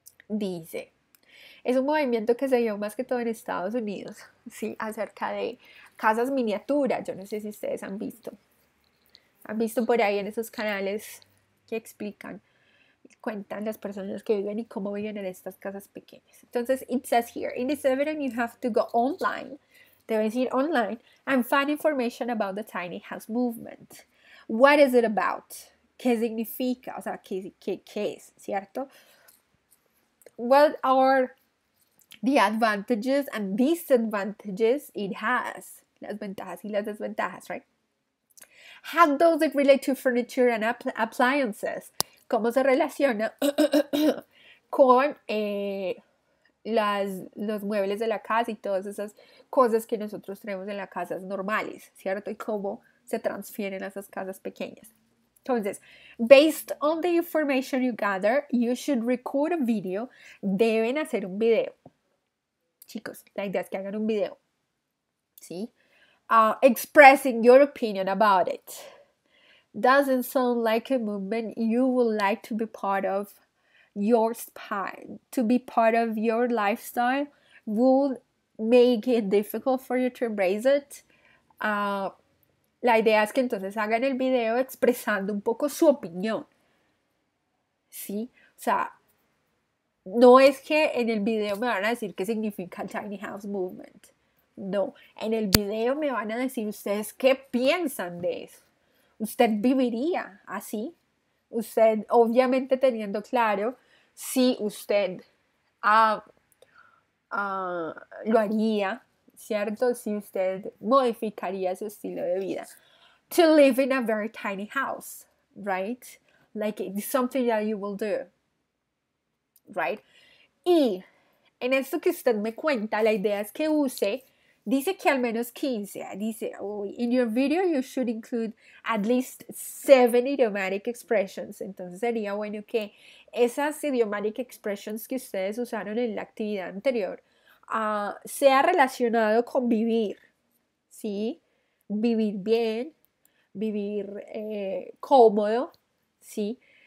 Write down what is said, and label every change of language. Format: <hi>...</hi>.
<es>Dice, es un movimiento que se dio más que todo en Estados Unidos, ¿sí? Acerca de casas miniatura. Yo no sé si ustedes han visto. Han visto por ahí en esos canales que explican, cuentan las personas que viven y cómo viven en estas casas pequeñas.</es> <en>Entonces, it says here, in this evidence you have to go online,</en> <es>debes ir online,</es> <en>and find information about the Tiny House Movement. What is it about?</en> <es>¿Qué significa? O sea, ¿qué es? ¿Cierto?</es> <en>what are the advantages and disadvantages it has?</en> <es>Las ventajas y las desventajas,</es> <en>right? How does it relate to furniture and appliances?</en> <es>¿Cómo se relaciona con los muebles de la casa y todas esas cosas que nosotros tenemos en las casas normales, cierto? Y cómo se transfieren a esas casas pequeñas.</es> <en>Entonces, based on the information you gather, you should record a video.</en> <es>Deben hacer un video. Chicos, la idea es que hagan un video. ¿Sí?</es> <en>Expressing your opinion about it. Doesn't sound like a movement you would like to be part of your spine. To be part of your lifestyle would make it difficult for you to embrace it.</en> <es>La idea es que entonces hagan el video expresando un poco su opinión. ¿Sí? O sea, no es que en el video me van a decir qué significa el tiny house movement. No, en el video me van a decir ustedes qué piensan de eso. ¿Usted viviría así? Usted, obviamente teniendo claro si usted lo haría, ¿cierto? Si usted modificaría su estilo de vida.</es> <en>To live in a very tiny house, right? Like it's something that you will do, right?</en> <es>Y en esto que usted me cuenta, la idea es que use... Dice que al menos 15.</es> <en>Dice, oh, in your video you should include at least 7 idiomatic expressions.</en> <es>Entonces sería bueno que esas idiomatic expressions que ustedes usaron en la actividad anterior sea relacionado con vivir. ¿Sí? Vivir bien, vivir cómodo. ¿Sí?</es>